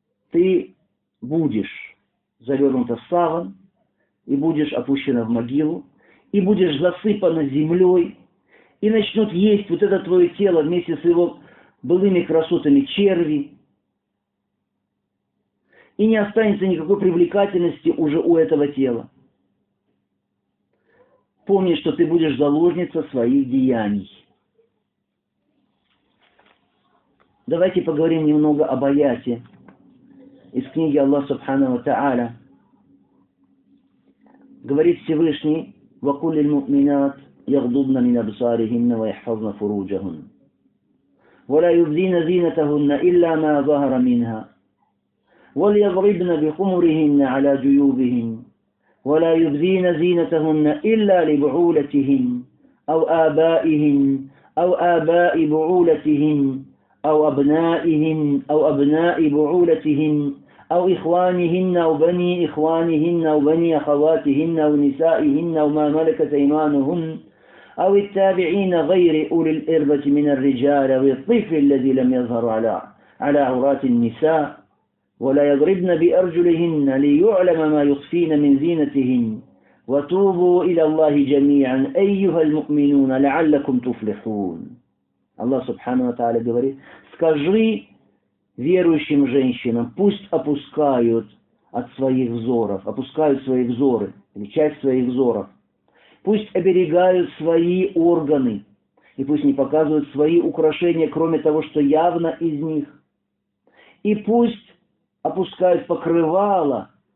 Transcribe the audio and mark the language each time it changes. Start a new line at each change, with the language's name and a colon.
Russian: ты будешь завернута в саван и будешь опущена в могилу, и будешь засыпана землей, и начнут есть вот это твое тело вместе с его былыми красотами черви, и не останется никакой привлекательности уже у этого тела. Помни, что ты будешь заложница своих деяний. Давайте поговорим немного об аяте из книги Аллаха Субханаху Та'аля. Говорит Всевышний:
Arabic: وَقُلِ الْمُؤْمِنَاتِ يَغْضُبْنَ مِنْ أَبْصَارِهِنَّ وَيَحْفَظْنَ فُرُوجَهُنَّ وَلَا يُبْدِينَ زِينَتَهُنَّ إِلَّا مَا ظَهَرَ مِنْهَا وَلْيَضْرِبْنَ بِخُمُرِهِنَّ عَلَى جُيُوبِهِنَّ وَلَا يُبْدِينَ زِينَتَهُنَّ إِلَّا لِبُعُولَتِهِنَّ أَوْ آبَائِهِنَّ أَوْ آبَاءِ بُعُولَتِهِنَّ أَوْ أَبْنَائِهِنَّ أَوْ أَبْنَاءِ بُعُولَتِهِنَّ أو إخوانهن أو بني إخوانهن أو بني أخواتهن أو نسائهن أو ما ملكت أيمانهن أو التابعين غير أولي الإربة من الرجال أو الطفل الذي لم يظهر على عورات النساء ولا يضربن بأرجلهن ليعلم ما يخفين من زينتهن وتوبوا إلى الله جميعا أيها المؤمنون لعلكم تفلحون. الله سبحانه وتعالى
Russian: говорит: скажи верующим женщинам, пусть опускают от своих взоров, опускают свои взоры, или часть своих взоров, пусть оберегают свои органы, и пусть не показывают свои украшения, кроме того, что явно из них, и пусть опускают покрывало